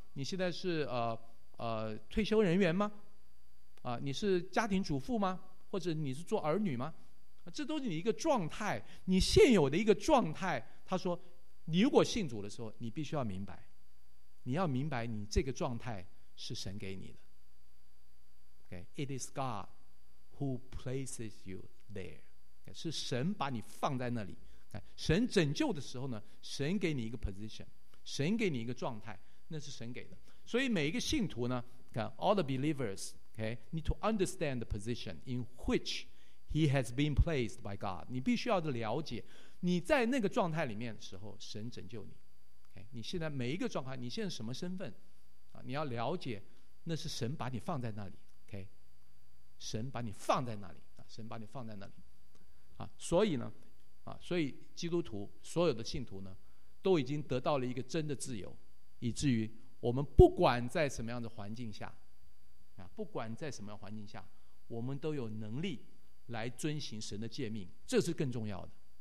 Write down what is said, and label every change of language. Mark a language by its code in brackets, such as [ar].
[zh] 你现在是退休人员吗？你是家庭主妇吗？或者你是做儿女吗？这都是你一个状态，你现有的一个状态。他说你如果信主的时候，你必须要明白，你要明白你这个状态是神给你的。 [en] Okay, it is God who places you there. [zh] Okay, 是神把你放在那里。Okay, 神拯救的时候呢，神给你一个 position，神给你一个状态，那是神给的。所以每一个信徒呢， [en] okay, all the believers okay, need to understand the position in which he has been placed by God. [zh] 你必须要了解你在那个状态里面的时候神拯救你。 Okay, 你现在每一个状态，你现在什么身份，你要了解那是神把你放在那里。 Okay, 神把你放在那里，神把你放在那里。所以呢，所以基督徒所有的信徒呢都已经得到了一个真的自由，以至于我们不管在什么样的环境下，不管在什么样的环境下，我们都有能力来遵行神的诫命，这是更重要的。